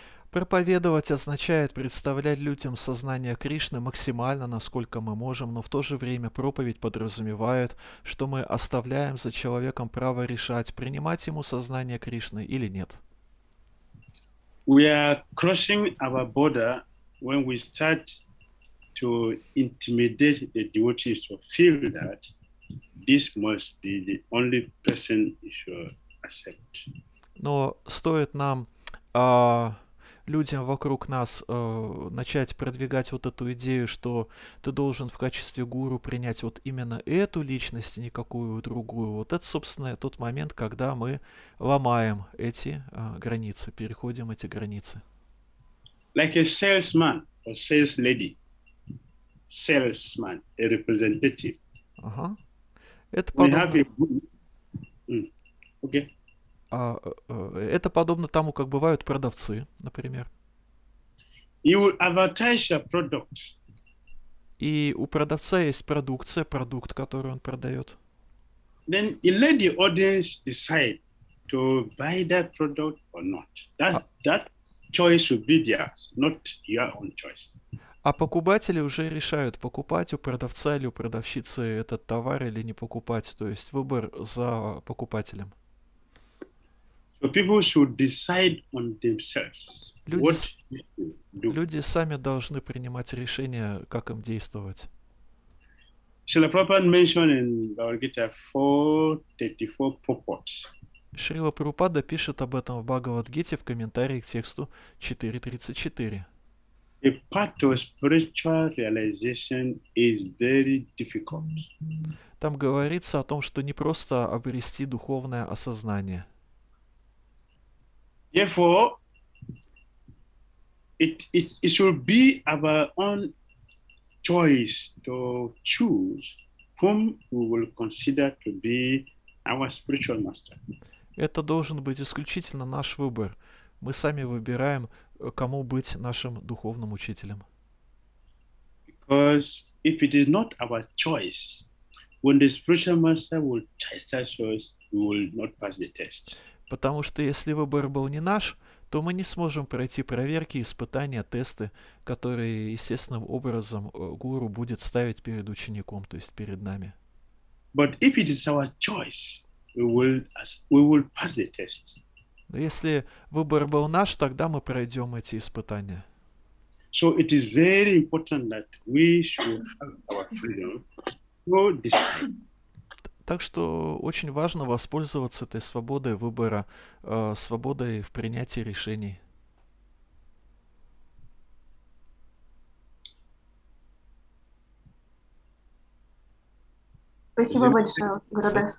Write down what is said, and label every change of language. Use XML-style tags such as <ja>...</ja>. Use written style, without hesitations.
<ru>Проповедовать означает представлять людям сознание Кришны максимально, насколько мы можем, но в то же время проповедь подразумевает, что мы оставляем за человеком право решать, принимать ему сознание Кришны или нет.</ru> <en>We are crossing our border when we start to intimidate the devotees to feel that this must be the only person you should accept.</en> <ru>Но стоит нам людям вокруг нас начать продвигать вот эту идею, что ты должен в качестве гуру принять вот именно эту личность, никакую другую. Вот это, собственно, тот момент, когда мы ломаем эти границы, переходим эти границы.</ru> <en>Like a salesman or sales lady. Salesman, a representative.</en> <ru>Ага. Это подобно...</ru> <en>We have a... Okay.</en> <ru>Это подобно тому, как бывают продавцы, например.</ru> <en>You will advertise your product.</en> <ru>И у продавца есть продукция, продукт, который он продает.</ru> <en>Then you let the audience decide to buy that product or not. That choice will be theirs, not your own choice.</en> <ru>А покупатели уже решают, покупать у продавца или у продавщицы этот товар или не покупать, то есть выбор за покупателем.</ru> <en>So people should decide on themselves.</en> <ru>Люди,</ru> <en>what they should do.</en> <ru>Люди сами должны принимать решение, как им действовать.</ru> <en>Srila Prabhupada mentioned in Bhagavad Gita 4.34 purports.</en> <ru>Шрила Прабхупада пишет об этом в Бхагавад Гите в комментарии к тексту 4.34.</ru> <en>The path of spiritual realization is very difficult.</en> <ru>Там говорится о том, что не просто обрести духовное осознание.</ru> <en>Therefore, it should be our own choice to choose whom we will consider to be our spiritual master.</en> <ru>Это должен быть исключительно наш выбор. Мы сами выбираем, кому быть нашим духовным учителем.</ru> <en>Because if it is not our choice, when the spiritual master will chastise us, we will not pass the test.</en> <ru>Потому что если выбор был не наш, то мы не сможем пройти проверки, испытания, тесты, которые естественным образом гуру будет ставить перед учеником, то есть перед нами.</ru> <en>But if it is our choice, we will pass the test.</en> <ru>Но если выбор был наш, тогда мы пройдем эти испытания.</ru> <en>So it is very important that we should have our freedom to decide.</en> <ru>Так что очень важно воспользоваться этой свободой выбора, свободой в принятии решений. Спасибо большое, Гурудев.</ru>